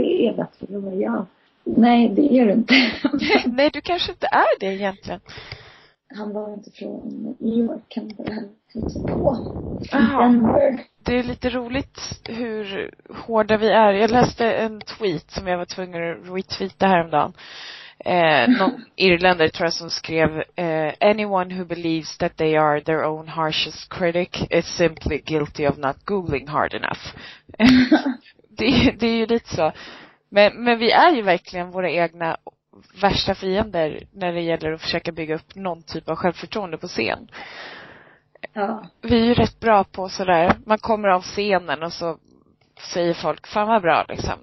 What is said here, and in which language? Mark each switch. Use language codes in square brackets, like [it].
[sv] Jag bara, ja. Nej, det gör du inte. Nej, du kanske inte är det egentligen. Han var inte från New York. Han bara hittade på. Aha. Det är lite roligt hur hårda vi är. Jag läste en tweet som jag var tvungen att retweeta häromdagen. Någon irländare tror jag som skrev [en] anyone who believes that they are their own harshest critic is simply guilty of not googling hard enough. [sv] Det är ju lite så. Men vi är ju verkligen våra egna värsta fiender när det gäller att försöka bygga upp någon typ av självförtroende på scen. Ja. Vi är ju rätt bra på sådär. Man kommer av scenen och så säger folk, fan vad bra liksom.